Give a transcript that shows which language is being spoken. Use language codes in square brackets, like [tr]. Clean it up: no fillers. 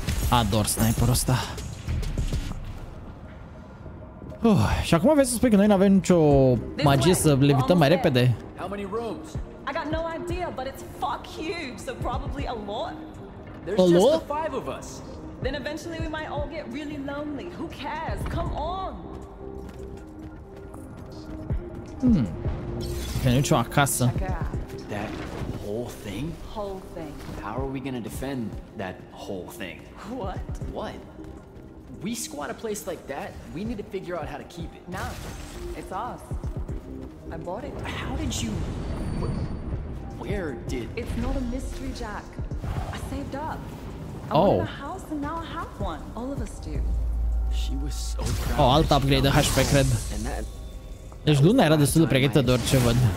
[ro] Ador sniperul ăsta. Și acum vezi să spui că noi n-avem nicio magie să levităm mai repede. [en] How many rooms? I got no idea, but it's fuck huge, so probably a lot. There's a just lot? The five of us. Then eventually we might all get really lonely. Who cares? Come on. [ro] Că nu e nicio acasă. [en] That whole thing? Whole thing. How are we gonna defend that whole thing? What? What? We squat a place like that, we need to figure out how to keep it. No, it's ours. I bought it. How did you... Where did... It's not a mystery, Jack. I saved up. I oh. Wanted a house and now I have one. All of us do. She was so proud. [ro] Oh, alt upgrade de HP, cred. Deci Luna era destul de pregătită de orice văd.